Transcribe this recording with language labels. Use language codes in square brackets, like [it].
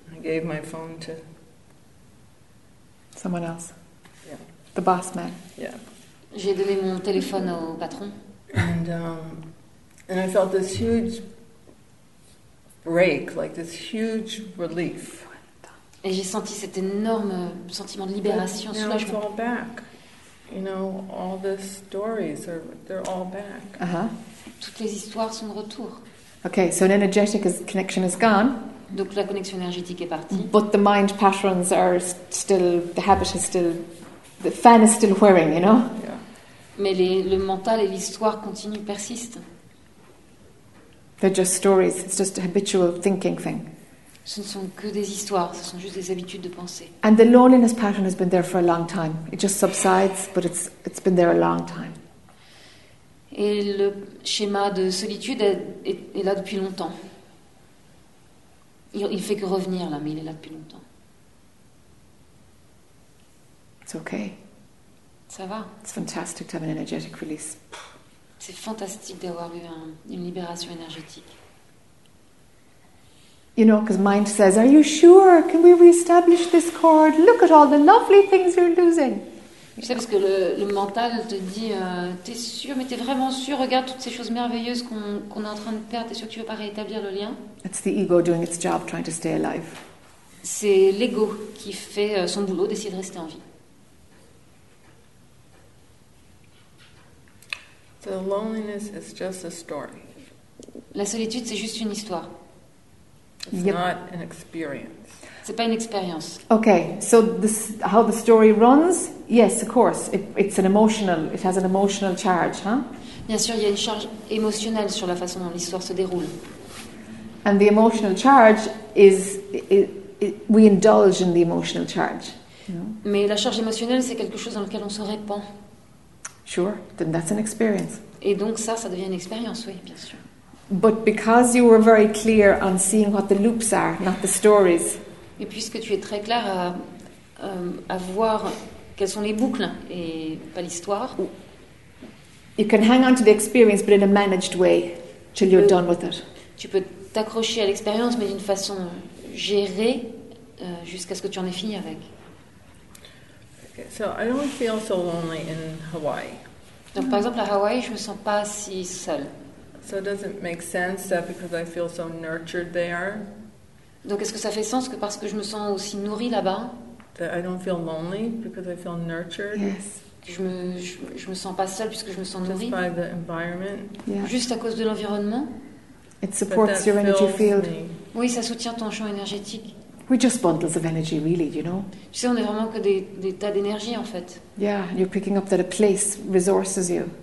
[en] I gave my phone to someone else. Yeah. The boss man. Yeah. [fr] J'ai donné mon téléphone au patron. [en] And I felt this huge break, like this huge relief. [fr] Et j'ai senti cet énorme sentiment de libération, soulagement. [en] It's all back. You know, all the stories are—they're all back. Uh-huh. [fr] Toutes les histoires sont de retour. [en] Okay, so an energetic connection is gone. [fr] Donc la connexion énergétique est partie. [en] But the mind patterns are still, the habit is still, the fan is still whirring, you know. Yeah. [fr] Mais le mental et l'histoire continuent, persistent. [en] They're just stories. It's just a habitual thinking thing. [fr] Ce ne sont que des histoires, ce sont juste des habitudes de pensée. [en] And the loneliness pattern has been there for a long time. It just subsides, but it's been there a long time. [fr] Et le schéma de solitude est là depuis longtemps. Il fait que revenir là, mais il est là depuis longtemps. [en] It's okay. [fr] Ça va. [en] It's fantastic to have an energetic release. [fr] C'est fantastique d'avoir eu une libération énergétique. [en] You know, because mind says, "Are you sure? Can we reestablish this cord? Look at all the lovely things you're losing." [fr] Tu sais, parce que le mental te dit, t'es sûr, mais t'es vraiment sûr? Regarde toutes ces choses merveilleuses qu'on est en train de perdre. T'es sûr que tu veux pas rétablir le lien? [en] It's the ego doing its job, trying to stay alive. [fr] C'est l'ego qui fait son boulot, d'essayer de rester en vie. [en] The loneliness is just a story. [fr] La solitude, c'est juste une histoire. [en] It's yep. Not an experience. [fr] C'est pas une expérience. [en] Okay, so this how the story runs? Yes, of course. It's an emotional. It has an emotional charge, huh? [fr] Bien sûr, il y a une charge émotionnelle sur la façon dont l'histoire se déroule. [en] And the emotional charge is we indulge in the emotional charge. No? [fr] Mais la charge émotionnelle, c'est quelque chose dans lequel on se répand. [en] Sure, then that's an experience. [fr] Et donc ça devient une expérience, oui, bien sûr. [en] But because you were very clear on seeing what the loops are, not the stories. [fr] Et puisque tu es très clair à voir quelles sont les boucles et pas l'histoire. [en] You can hang on to the experience, but in a managed way, till you're done with it. [fr] Tu peux t'accrocher à l'expérience, mais d'une façon gérée, jusqu'à ce que tu en aies fini avec. [en] Okay, so I don't feel so lonely in Hawaii. [fr] Donc par exemple à Hawaï, je me sens pas si seule. [en] So does it make sense that because I feel so nurtured there? [fr] Donc est-ce que ça fait sens que parce que je me sens aussi nourrie là-bas? [en] That I don't feel lonely because I feel nurtured. Yes. [fr] Je me sens pas seule puisque je me sens nourrie. [en] Just by the environment. Yeah. [fr] Juste à cause de l'environnement. [en] It supports your energy field. [fr] Me. Oui, ça soutient ton champ énergétique. [en] We're just bundles of energy, really, you know. [fr] Tu sais, on est vraiment que des tas d'énergie en fait. [en] Yeah, you're picking up that a place resources you.